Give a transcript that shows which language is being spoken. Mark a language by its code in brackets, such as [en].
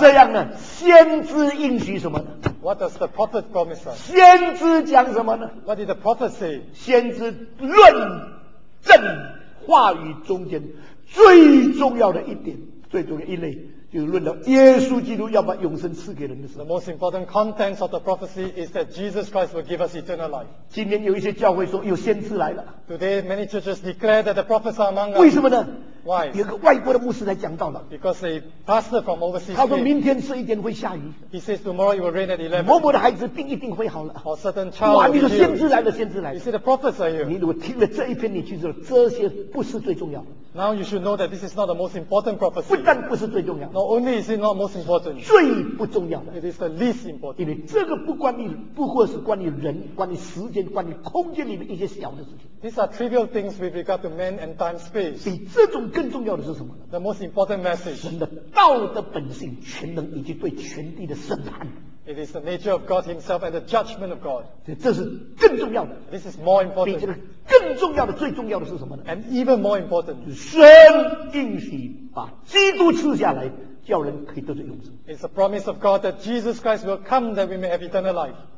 [zh] 这样呢，先知应许什么呢？ [en] What does the prophet promise us? [zh] 先知讲什么呢？ [en] What did the prophet say? [zh] 先知论证话语中间最重要的一点，最重要一类，就是论到耶稣基督要把永生赐给人的时候。 [en] The most important contents of the prophecy is that Jesus Christ will give us eternal life. [zh] 今天有一些教会说有先知来了。 [en] Today many churches declare that the prophets are among us. [zh] 为什么呢？ [en] Why? [zh] 有个外国的牧师来讲道了。 [en] Because a pastor from overseas. [zh] 他说明天十一点会下雨。 [en] He says tomorrow it will rain at 11. [zh] 某某的孩子病一定会好了。 [en] Or certain child. [zh] 哇，你说先知来了，先知来了。 [en] You see the prophets are here. [zh] 你如果听了这一篇，你就知道这些不是最重要的。 [en] Now you should know that this is not the most important prophecy. [zh] 不但不是最重要的。 [en] Not only is it not most important. [zh] 最不重要的。 [en] It is the least important. [zh] 因为这个不关于，不过是关于人，关于时间，关于空间里面一些小的事情。 [en] These are trivial things with regard to man and time space. [zh] 比这种更重要的是什么呢？ [en] The most important message. [zh] 神的道的本性、全能以及对全地的审判。 [en] It is the nature of God Himself and the judgment of God. [zh] 这是更重要的。 [en] This is more important. [zh] 比这个更重要的、最重要的是什么呢？ [en] And even more important. [zh] 神应许把基督赐下来，叫人可以得着永生。 [en] It's the promise of God that Jesus Christ will come that we may have eternal life.